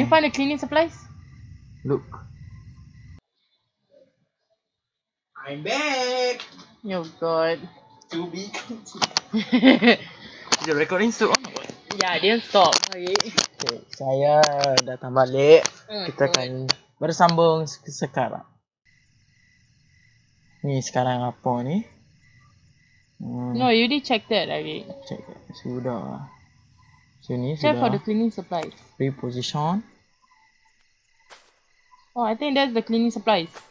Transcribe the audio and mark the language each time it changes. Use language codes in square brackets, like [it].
[en] You find the cleaning supplies? Look. I'm back. Oh god. To be continued. Is the recording still on? Yeah, I didn't stop. [ms] Okay. Saya datang balik. Kita akan bersambung sekarang. Ni sekarang apa ni? [en] No, you did check that, Ari. Check that. [ms] Sudah. [en] So, ni check for the cleaning supplies. Reposition. Oh, I think that's the cleaning supplies.